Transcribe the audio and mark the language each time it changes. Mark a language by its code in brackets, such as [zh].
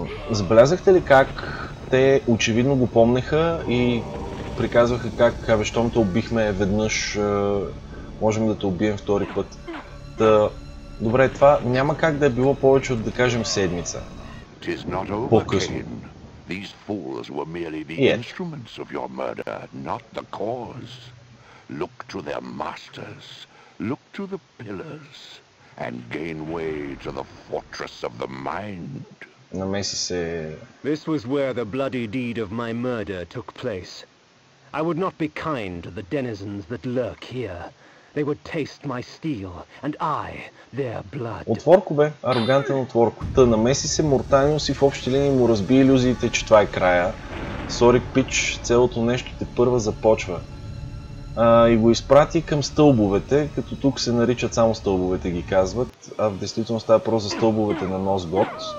[bg] Забелязахте ли как те очевидно го помнеха и приказваха как щом те убихме веднъж, можем да те убием втори път. Добре, това няма как да е било повече от, да кажем, седмица. По-късно. [en] These fools were merely the instruments of your murder, not the cause. Look to their masters. Look to the pillars. And gain way to the fortress of the mind. [bg] Намеси се. [en] This was where the bloody deed of my murder took place. I would not be kind to the denizens that lurk here. They would taste my steel, and I their blood. [bg] Отворко бе, арогантен отворко. Та намеси се Мортаниус и в общи линии му разби илюзиите, че това е края. Сори, пич, цялото нещо те първа започва. И го изпрати към стълбовете, като тук се наричат само стълбовете, ги казват, а в действителност става просто стълбовете на Носгот.